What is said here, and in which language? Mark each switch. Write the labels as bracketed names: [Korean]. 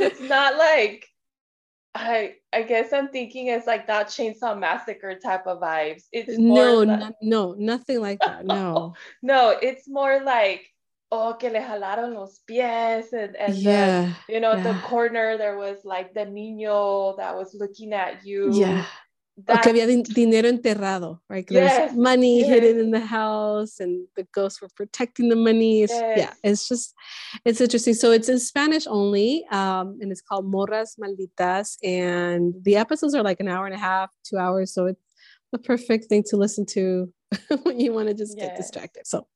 [English] It's not like, I guess I'm thinking it's like that Chainsaw Massacre type of vibes. It's more nothing like that. No. No, it's more like, oh, que le jalaron los pies. And yeah, then, you know, yeah, the corner, there was like the niño that was looking at you. Yeah. [Spanish] Okay, había dinero enterrado, right? [English] Yes, there's money, yes, hidden in the house, and the ghosts were protecting the money. Yes. Yeah, it's interesting. So it's in Spanish only, and it's called Morras Malditas, and the episodes are like an hour and a half, 2 hours, so it's the perfect thing to listen to when you want to just, yes, get distracted.